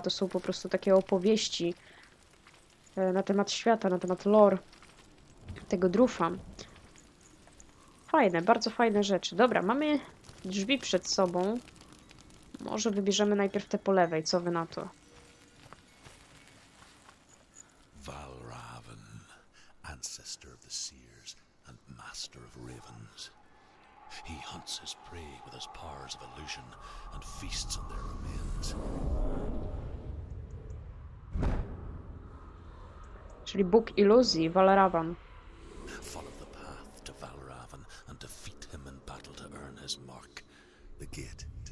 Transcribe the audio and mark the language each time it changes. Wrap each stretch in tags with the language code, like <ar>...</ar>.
<pl>To są po prostu takie opowieści na temat świata, na temat lore tego Drufa. Fajne, bardzo fajne rzeczy. Dobra, mamy drzwi przed sobą. Może wybierzemy najpierw te po lewej, co wy na to?</pl> <en>Valraven, ancestor of the seers and master of ravens. He hunts his prey with his powers of illusion and feasts on their remains.</en> <pl>Czyli Bóg iluzji, Valraven.</pl> <en>Follow the path to Valraven and defeat him in battle to earn his mark, the gate.</en>